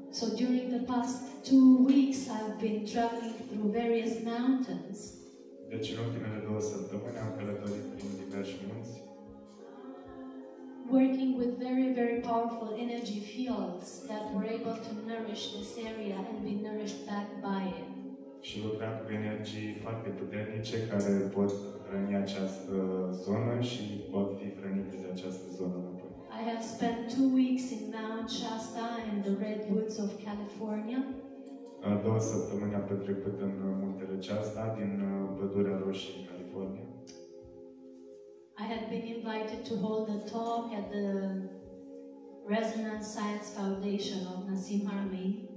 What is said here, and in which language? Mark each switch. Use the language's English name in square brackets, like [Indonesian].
[English] So during the past 2 weeks I've been traveling through various mountains. [Romanian] Deci în ultimele 2 săptămâni am călătorit prin diverse munți. [English] Working with very, very powerful energy fields that were able to nourish this area and be nourished back by it. [Romanian] Și lucrat cu energii foarte puternice care pot hrăni această zonă și pot fi hrănite de această zonă. [English] I have spent 2 weeks in Mount Shasta in the redwoods of California. [Romanian] 2 săptămâni am petrecut în muntele Shasta din pădurea roșie în California. [English] I had been invited to hold a talk at the Resonance Science Foundation of Nassim Harami.